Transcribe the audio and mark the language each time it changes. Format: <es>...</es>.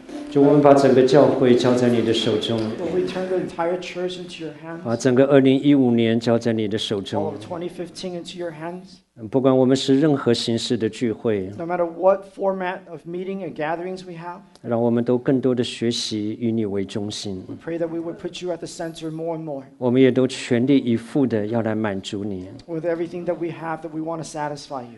<zh>主，我们把整个教会交在你的手中。</zh> <en>Lord, we turn the entire church into your hands.</en> <zh>把整个2015年交在你的手中。</zh> <en>All of 2015 into your hands.</en> <zh>不管我们是任何形式的聚会。</zh> <en>No matter what format of meeting and gatherings we have.</en> <zh>让我们都更多的学习与你为中心。</zh> <en>We pray that we would put you at the center more and more.</en> <zh>我们也都全力以赴的要来满足你。</zh> <en>With everything that we have that we want to satisfy you.</en>